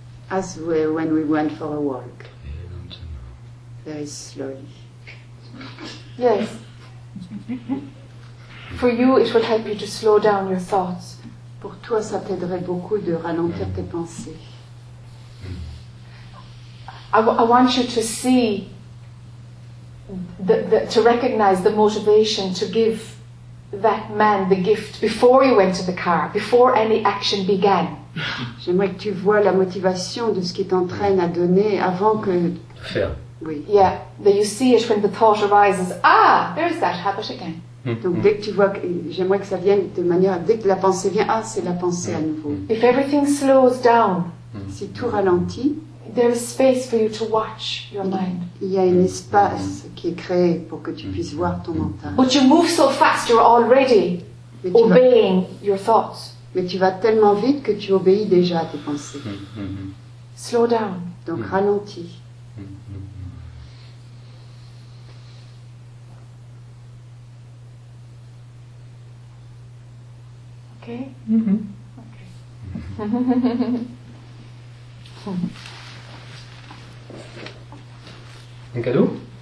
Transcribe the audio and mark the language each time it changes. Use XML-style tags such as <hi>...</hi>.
<en>As we, when we went for a walk. Very slowly. Yes. For you, it will help you to slow down your thoughts.</en> <fr>Pour toi, ça t'aiderait beaucoup de ralentir tes pensées.</fr> <en>I want you to see, to recognize the motivation to give that man the gift before you went to the car, before any action began.</en> <fr>J'aimerais que tu vois la motivation de ce qui t'entraîne à donner avant que... Faire. Oui.</fr> <en>Yeah, that you see it when the thought arises. Ah, there's that habit again.</en> <fr>Donc dès que tu vois, j'aimerais que ça vienne de manière, dès que la pensée vient, ah, c'est la pensée à nouveau.</fr> <en>If everything slows down,</en> <fr>si tout ralentit,</fr> <en>there is space for you to watch your mind.</en> <fr>Il y a un espace qui est créé pour que tu puisses voir ton mental.</fr> <en>But you move so fast, you're already obeying your thoughts.</en> <fr>Mais tu vas tellement vite que tu obéis déjà à tes pensées.</fr> <en>Slow down.</en> <fr>Donc ralentis.</fr> <en>Okay.</en> <fr>Un cadeau?</fr>